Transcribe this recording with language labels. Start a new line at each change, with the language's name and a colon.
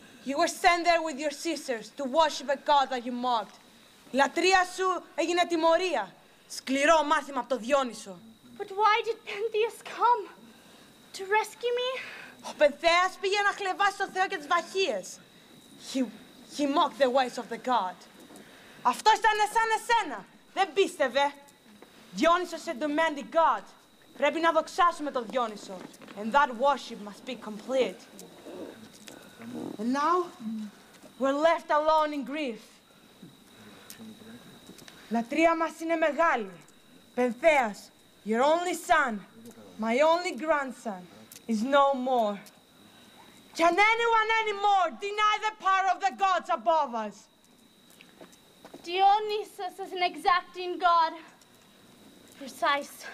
English: You were sent there with your sisters to worship a god that you mocked.
Greek: Λατρεία σου έγινε τιμωρία. Σκληρό μάθημα από το Διόνυσο.
English: But why did Pentheus come? To rescue me?
Greek: Ο Πενθέας πήγε να χλεβάσει το Θεό και τις βαχίες.
English: He mocked the ways of the god.
Greek: Αυτό ήταν σαν εσένα. Δεν πίστευε.
English: Διόνυσος a demanding god.
Greek: Πρέπει να δοξάσουμε τον Διόνυσο.
English: And that worship must be complete. And now, we're left alone in grief.
Greek: Λατρεία μας είναι μεγάλη.
English: Πενθέας, your only son, my only grandson, is no more. Can anyone anymore deny the power of the gods above us? Dionysus is an exacting god. Precise.